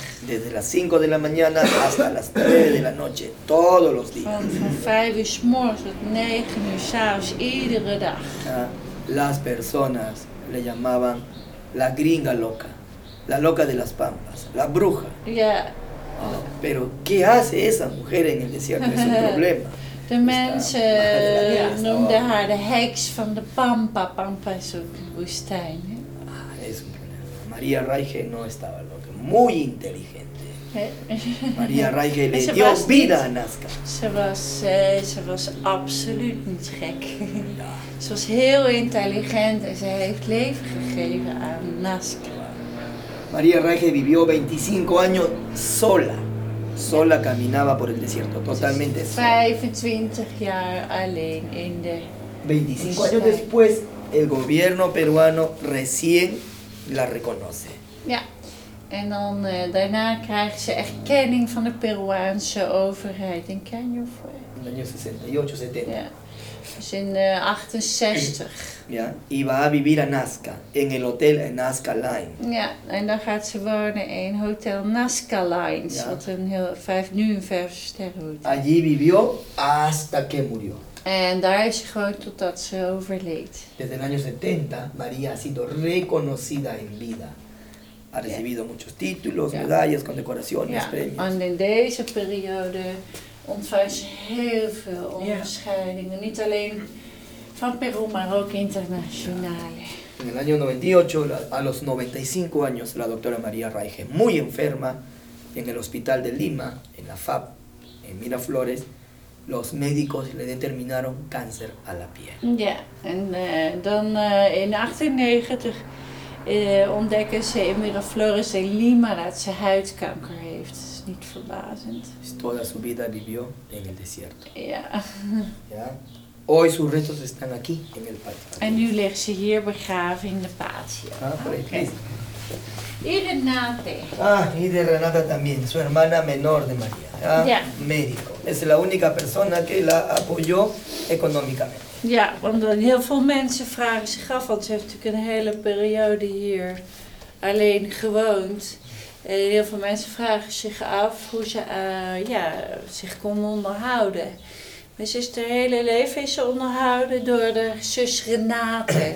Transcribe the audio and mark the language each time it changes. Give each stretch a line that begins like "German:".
Spanish: Desde las 5 de la mañana hasta las 3 de la noche, todos los días.
Dutch: Van 5 uur 's morgens tot 9 uur 's avonds, iedere dag.
Spanish: Las personas le llamaban la gringa loca. La loca de las pampas, la bruja.
English: Yeah.
Spanish: Oh, pero ¿qué hace esa mujer en el desierto? Es un problema.
Dutch: De mensen noemden haar de heks van de pampa.
Spanish: Pampa es un woestijn. Ah, es un problema. María Reiche no estaba loca. Muy inteligente. María Reiche le dio vida a Nazca.
Dutch: Ze was absoluut niet gek. Ze was heel intelligent en ze heeft leven gegeven aan Nazca.
Spanish: María Reiche vivió 25 años sola. Sola caminaba por el desierto, totalmente sola.
Dutch: 25 años alleen en de.
Spanish: 25 años después, el gobierno peruano recién la reconoce.
Dutch: Ja. En dan daarna krijgt ze erkenning van de Peruaanse overheid. En ken je of?
Spanish: En año 68, 70.
Dutch: Ja. Dus in 68.
Spanish: Ja, y va a vivir a Nazca, en el hotel Nazca Line.
Dutch: Ja, en dan gaat ze wonen in hotel Nazca Lines, wat een heel vijf sterren hotel.
Spanish: Allí vivió hasta que murió.
Dutch: En daar is ze gewoond totdat ze overleed.
Spanish: Desde el año 70, María ha sido reconocida en vida. Ha recibido muchos títulos, medallas, condecoraciones, premios.
Dutch: Ja, en in deze periode ontvangt ze heel veel onderscheidingen. Niet alleen van Perú, maar ook internationaal.
Spanish: En el año 98, a los 95 años, la doctora María Reiche, muy enferma, en el hospital de Lima, en la FAP, en Miraflores, los médicos le determinaron cáncer a la piel.
Dutch: Ja, en dan in 98 ontdekken ze in Miraflores en Lima dat ze huidkanker heeft. Dat is niet verbazend.
Spanish: Toda su vida vivió en el desierto.
Dutch: Ja. Ja.
Spanish: Hoy sus restos están aquí, en el patio.
Dutch: En nu ligt ze hier begraven in de patio.
Spanish: Ah, por ahí. Y Renate. Ah, y de Renata también, su hermana menor de María. Ah,
Dutch: ja.
Spanish: Médico. Es la única persona que la apoyó económicamente.
Dutch: Ja, want heel veel mensen vragen zich af, want ze heeft natuurlijk een hele periode hier alleen gewoond. En heel veel mensen vragen zich af hoe ze zich kon onderhouden. Dus is haar hele leven is ze onderhouden door de zus Renate.